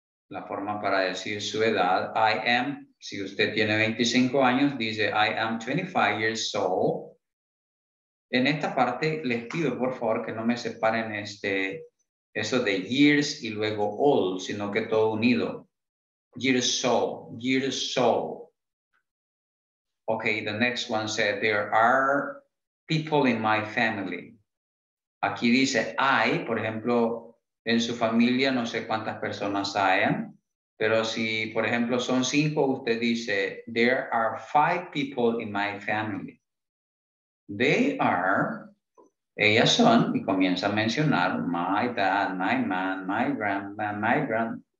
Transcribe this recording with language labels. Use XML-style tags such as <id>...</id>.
<es>La forma para decir su edad,</es> <en>I am.</en> <es>Si usted tiene 25 años, dice,</es> <en>I am 25 years old.</en> <es>En esta parte les pido, por favor, que no me separen eso de years y luego old, sino que todo unido.</es> <en>Years old, years old. Okay, the next one said, there are people in my family.</en> <es>Aquí dice, hay, por ejemplo, en su familia, no sé cuántas personas hay. Pero si, por ejemplo, son cinco, usted dice,</es> <en>there are five people in my family. They are,</en> <es>ellas son, y comienza a mencionar,</es> <en>my dad, my man, my grandma, my grandma.</en>